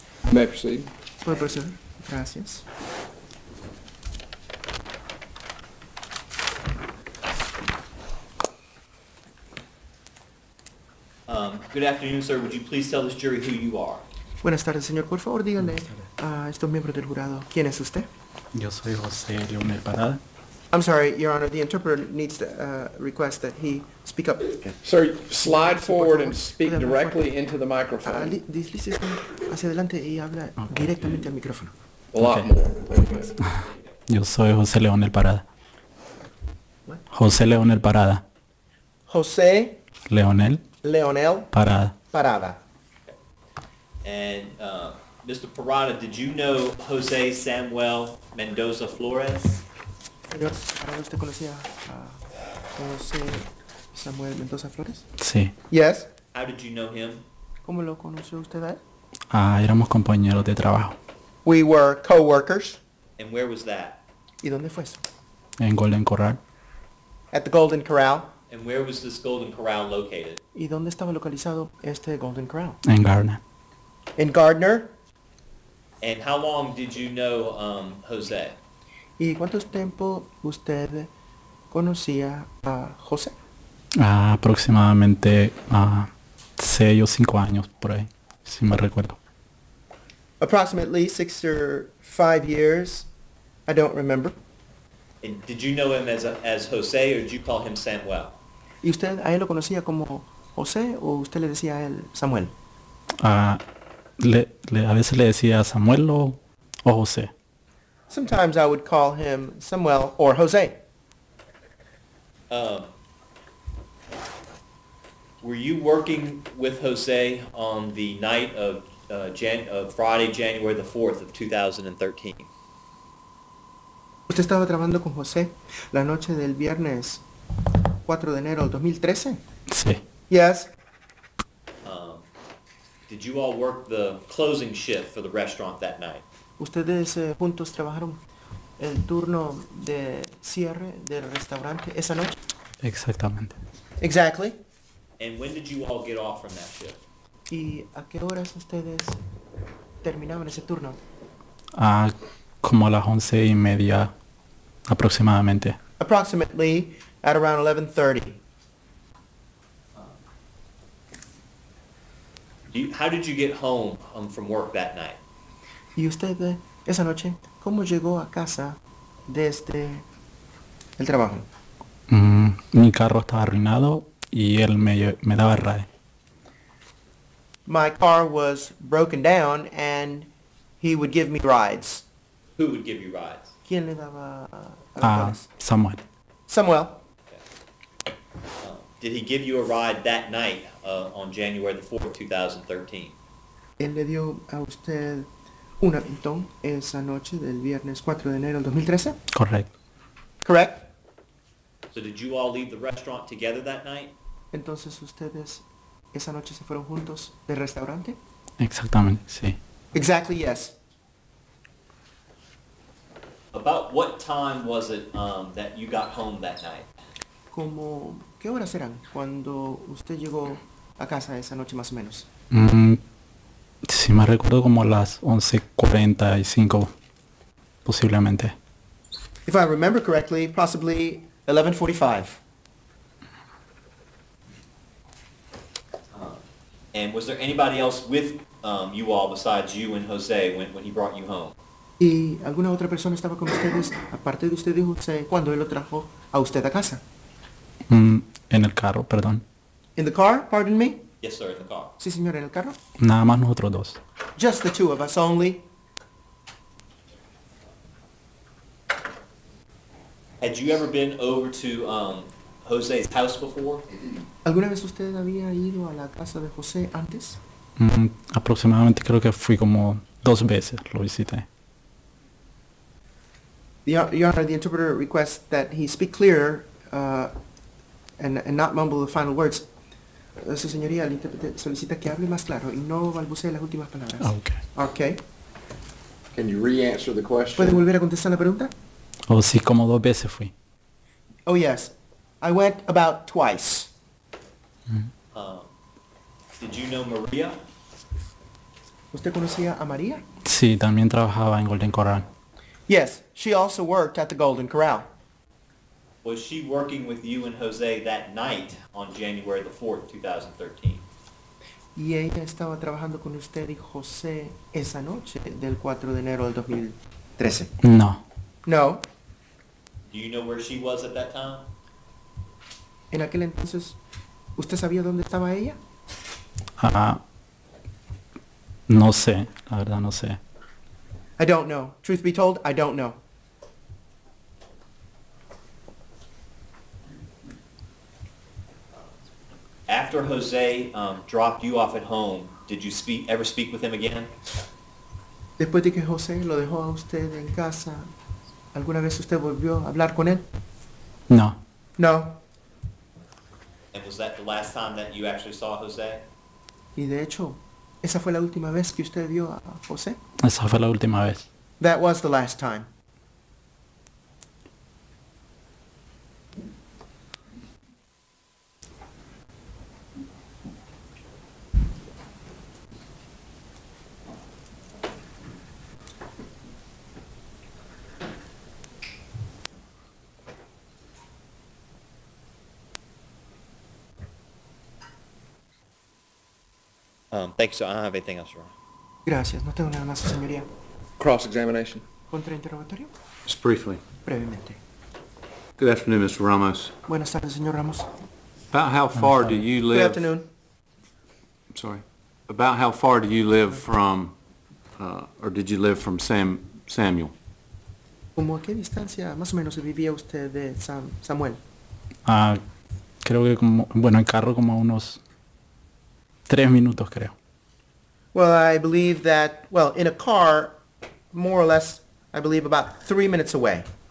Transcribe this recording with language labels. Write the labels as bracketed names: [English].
[English] May I proceed? [Spanish] Puede proceder. Gracias. [English] Good afternoon, sir. Would you please tell this jury who you are? [Spanish] Buenas tardes, señor. Por favor, díganle a estos miembros del jurado. ¿Quién es usted? Yo soy José Leónel Parada. [English] I'm sorry, Your Honor. The interpreter needs to request that he speak up. Okay. Sir, slide forward and speak directly into the microphone. [Spanish] Deslice hacia adelante y habla directamente al micrófono. [English] A lot more. [Spanish] Yo soy José Leónel Parada. José Leónel Parada. José Leónel. Leonel Parada. [English] And Mr. Parada, did you know Jose Samuel Mendoza Flores? [Spanish] Señor Parada, ¿usted conocía a Jose Samuel Mendoza Flores? Sí. [English] Yes. How did you know him? [Spanish] ¿Cómo lo conoció usted a él? Éramos compañeros de trabajo. [English] We were co-workers. And where was that? [Spanish] ¿Y dónde fue eso? En Golden Corral. [English] At the Golden Corral. And where was this Golden Corral located? [Spanish] ¿Y dónde estaba localizado este Golden Corral? En Garner. [English] In Garner? And how long did you know Jose? [Spanish] ¿Y cuánto tiempo usted conocía a Jose? Aproximadamente 6 o 5 años, por ahí, si me recuerdo. [English] Approximately 6 or 5 years, I don't remember. And did you know him as Jose, or did you call him Samuel? [Spanish] ¿Y usted a él lo conocía como José o usted le decía a él Samuel? A veces le decía Samuel o José. [English] Sometimes I would call him Samuel or José. Were you working with José on the night of Friday, January the 4th of 2013? [Spanish] ¿Usted estaba trabajando con José la noche del viernes 4 de enero del 2013? Sí. [English] Yes. Did you all work the closing shift for the restaurant that night? [Spanish] ¿Ustedes juntos trabajaron el turno de cierre del restaurante esa noche? Exactamente. [English] Exactly. And when did you all get off from that shift? [Spanish] ¿Y a qué horas ustedes terminaban ese turno? Como a las 11:30 aproximadamente. [English] Approximately at around 11:30. How did you get home from work that night? [Spanish] ¿Y usted esa noche cómo llegó a casa desde el trabajo? Mi carro estaba arruinado y él me daba RAE. [English] My car was broken down and he would give me rides. Who would give you rides? [Spanish] ¿Quién le daba Samuel. [English] Samuel. Okay. Did he give you a ride that night on January the 4th, 2013? [Spanish] Él le dio a usted un aventón esa noche del viernes 4 de enero del 2013. [English] Correct. Correct. So did you all leave the restaurant together that night? [Spanish] Entonces ustedes esa noche se fueron juntos del restaurante? Exactamente, sí. [English] Exactly, yes. About what time was it that you got home that night? [Spanish] Como, ¿qué horas eran cuando usted llegó a casa esa noche más o menos? Si me recuerdo como las 11:45, posiblemente. [English] If I remember correctly, possibly 11:45. And was there anybody else with you all besides you and Jose when he brought you home? [Spanish] ¿Y alguna otra persona estaba con ustedes aparte de usted y José cuando él lo trajo a usted a casa? En el carro, perdón. [English] In the car, pardon me? Yes, sir, in the car. [Spanish] Sí, señor, en el carro. Nada más nosotros dos. [English] Just the two of us only. Had you ever been over to Jose's house before? [Spanish] ¿Alguna vez usted había ido a la casa de José antes? Aproximadamente creo que fui como dos veces, lo visité. [English] Your Honor, the interpreter requests that he speak clearer and not mumble the final words. [Spanish] Su señoría, el intérprete solicita que hable más claro y no balbucee las últimas palabras. [English] Okay. Can you re-answer the question? [Spanish] ¿Puede volver a contestar la pregunta? Oh, sí, como dos veces fui. [English] Oh, yes. I went about twice. Did you know Maria? [Spanish] ¿Usted conocía a María? Sí, también trabajaba en Golden Corral. [English] Yes, she also worked at the Golden Corral. Was she working with you and Jose that night on January the 4th, 2013? [Spanish] ¿Y ella estaba trabajando con usted y José esa noche del 4 de enero del 2013? No. [English] No. Do you know where she was at that time? [Spanish] ¿En aquel entonces usted sabía dónde estaba ella? No sé, la verdad no sé. [English] I don't know. Truth be told, I don't know. After Jose dropped you off at home, did you ever speak with him again? [Spanish] Después de que José lo dejó a usted en casa, ¿alguna vez usted volvió a hablar con él? No. [English] No. And was that the last time that you actually saw Jose? [Spanish] Y de hecho, ¿esa fue la última vez que usted vio a José? Esa fue la última vez. [English] That was the last time. Thanks, so I don't have anything else, Your Honor. [Spanish] Gracias, no tengo nada más, señoría. [English] Cross-examination. [Spanish] Contrainterrogatorio. [English] Just briefly. [Spanish] Brevemente. [English] Good afternoon, Mr. Ramos. [Spanish] Buenas tardes, señor Ramos. [English] About how far do you live... Good afternoon. I'm sorry. About how far do you live from, or did you live from Samuel? [Spanish] ¿Cómo a qué distancia más o menos vivía usted de Samuel? Creo que como, bueno, en carro como a unos 3 minutos, creo. [English] Well, I believe that, well, in a car, more or less, I believe about 3 minutes away.